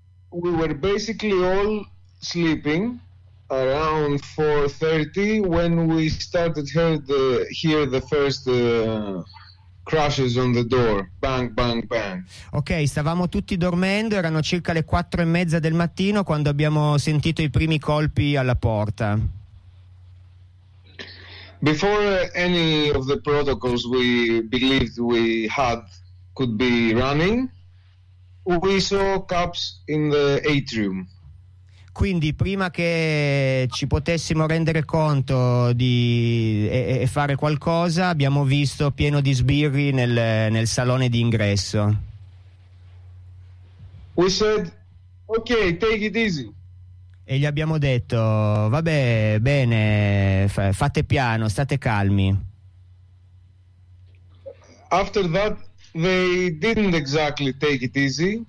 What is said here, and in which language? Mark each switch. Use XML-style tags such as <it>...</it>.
<en>We were basically all sleeping around 4:30 when we started hear the first crashes on the door, bang bang bang.</en> <it>Ok, stavamo tutti dormendo, erano circa le 4:30 del mattino quando abbiamo sentito i primi colpi alla porta.</it> <en>Before any of the protocols we believed we had could be running, we saw cops in the atrium.</en> <it>Quindi prima che ci potessimo rendere conto di e fare qualcosa, abbiamo visto pieno di sbirri nel salone di ingresso.</it> <en>We said, okay, take it easy.</en> <it>E gli abbiamo detto, vabbè, bene, fate piano, state calmi.</it> <en>After that, they didn't exactly take it easy.</en>